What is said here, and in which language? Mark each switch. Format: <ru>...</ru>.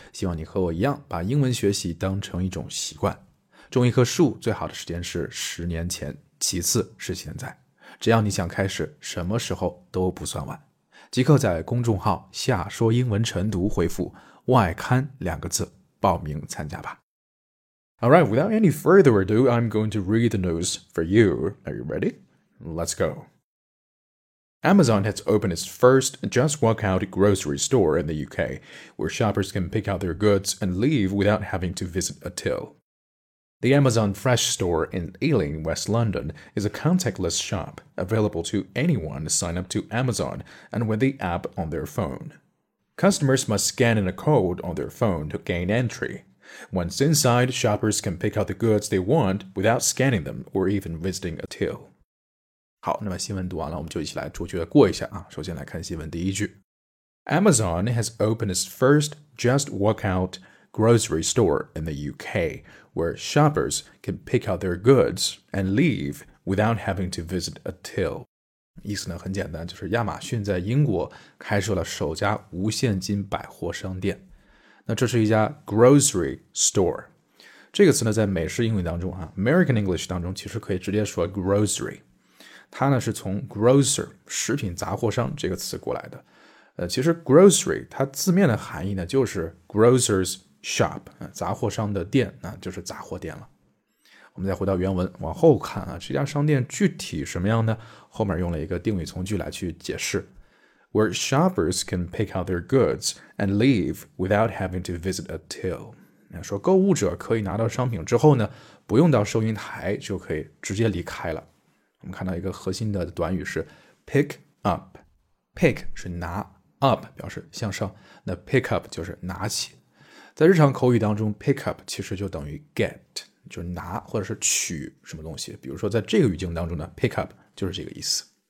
<zh>希望你和我一样把英文学习当成一种习惯。种一棵树最好的时间是十年前，其次是现在，只要你想开始，什么时候都不算晚。即刻在公众号下说英文晨读回复外刊两个字报名参加吧。</zh> <en>Alright, without any further ado, I'm going to read the news for you. Are you ready? Let's go. Amazon has opened its first Just Walk Out grocery store in the UK, where shoppers can pick out their goods and leave without having to visit a till. The Amazon Fresh store in Ealing, West London, is a contactless shop available to anyone sign up to Amazon and with the app on their phone. Customers must scan in a code on their phone to gain entry. Once inside, shoppers can pick out the goods they want without scanning them or even visiting a till.</en> <zh>好，那么新闻读完了，我们就一起来逐句过一下啊。首先来看新闻第一句。</zh> <en>Amazon has opened its first Just Walk Out grocery store in the UK, where shoppers can pick out their goods and leave without having to visit a till.</en> <zh>意思呢很简单，就是亚马逊在英国开设了首家无现金百货商店。那这是一家 grocery store。这个词呢在美式英语当中啊</zh> <en>American English</en> <zh>当中其实可以直接说 grocery。它呢是从 grocer 食品杂货商这个词过来的，其实 grocery 它字面的含义呢就是 grocer's shop、杂货商的店，那、就是杂货店了。我们再回到原文往后看啊，这家商店具体什么样呢？后面用了一个定语从句来去解释</zh> <en>，where shoppers can pick out their goods and leave without having to visit a till。</en> <zh>说购物者可以拿到商品之后呢，不用到收银台就可以直接离开了。我们看到一个核心的短语是 pick up， pick 是拿， up 表示向上，那 pick up 就是拿起。在日常口语当中 pick up 其实就等于 get， 就是拿或者是取什么东西，比如说在这个语境当中呢 pick up 就是这个意思。</zh>